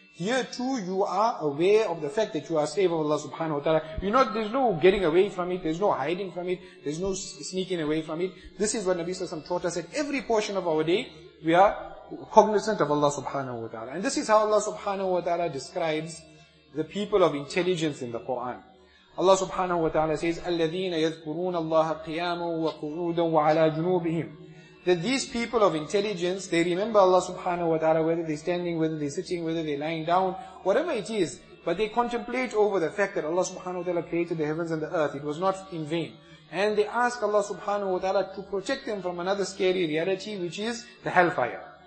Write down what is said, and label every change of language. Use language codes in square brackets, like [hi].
[en] Here too you are aware of the fact that you are a slave of Allah subhanahu wa ta'ala. You know, there's no getting away from it, there's no hiding from it, there's no sneaking away from it. This is what Nabi sallallahu alayhi wa sallam taught us at every portion of our day, we are cognizant of Allah subhanahu wa ta'ala. And this is how Allah subhanahu wa ta'ala describes the people of intelligence in the Quran. Allah subhanahu wa ta'ala says, [ar] الَّذِينَ يَذْكُرُونَ اللَّهَ قِيَامًا وَقُعُودًا وَعَلَى جُنُوبِهِمْ. [en] That these people of intelligence, they remember Allah subhanahu wa ta'ala, whether they're standing, whether they're sitting, whether they're lying down, whatever it is, but they contemplate over the fact that Allah subhanahu wa ta'ala created the heavens and the earth. It was not in vain. And they ask Allah subhanahu wa ta'ala to protect them from another scary reality, which is the hellfire.